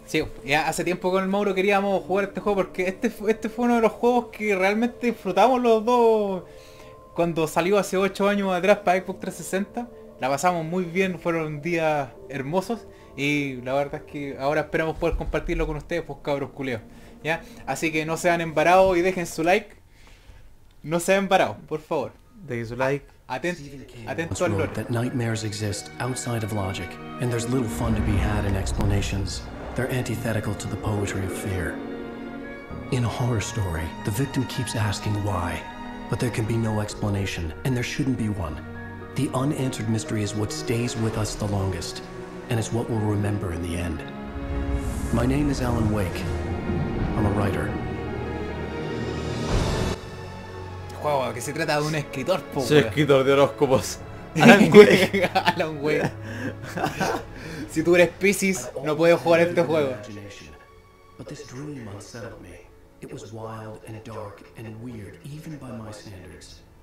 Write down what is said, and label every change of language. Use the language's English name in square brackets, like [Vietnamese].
[Spanish] Sí, ya hace tiempo con el Mauro queríamos jugar este juego, porque este fue uno de los juegos que realmente disfrutamos los dos cuando salió hace 8 años atrás para Xbox 360. La pasamos muy bien, fueron días hermosos, y la verdad es que ahora esperamos poder compartirlo con ustedes, pues cabros culeos. ¿Ya? Así que no sean embarados y dejen su like. No sean embarados, por favor. Dejen su like. [English] That nightmares exist outside of logic, and there's little fun to be had in explanations. They're antithetical to the poetry of fear. In a horror story, the victim keeps asking why, but there can be no explanation, and there shouldn't be one. The unanswered mystery is what stays with us the longest, and it's what we'll remember in the end. My name is Alan Wake. I'm a writer. [Spanish] Juego que se trata de un escritor, po. Soy escritor de horóscopos. Alan Wake. Alan Wake. Si tú eres Piscis, no puedes jugar este juego. [English] But this dream unsettled me. It was wild and dark and weird, even by my standards.